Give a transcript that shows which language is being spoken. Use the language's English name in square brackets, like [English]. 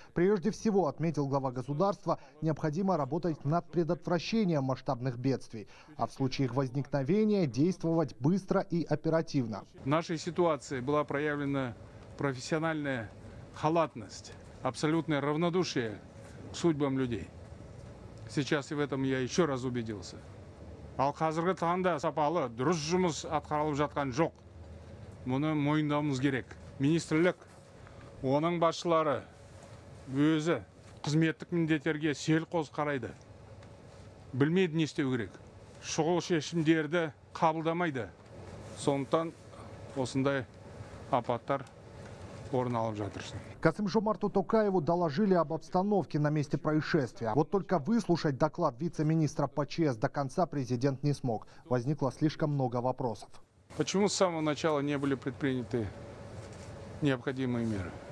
[Russian] Прежде всего, отметил глава государства, необходимо работать над предотвращением масштабных бедствий, а в случае их возникновения действовать быстро и оперативно. В нашей ситуации была проявлена профессиональная халатность, абсолютное равнодушие судьбам людей. Сейчас и в этом я еще раз убедился. [Kazakh] Ал қазіргі таңда сапалы дұрыс жұмыс атқарылып жатқан жоқ. Мұны мойындауымыз керек. Министрлік, оның басшылары өзі қызметтік міндеттерге селқос қарайды. Білмейді не істеу керек. Шұғыл шешімдерді қабылдамайды. Сондықтан осындай апаттар орын алып жатырсын. [Russian] Касым-Жомарту Токаеву доложили об обстановке на месте происшествия. Вот только выслушать доклад вице-министра по ЧС до конца президент не смог. Возникло слишком много вопросов. Почему с самого начала не были предприняты необходимые меры?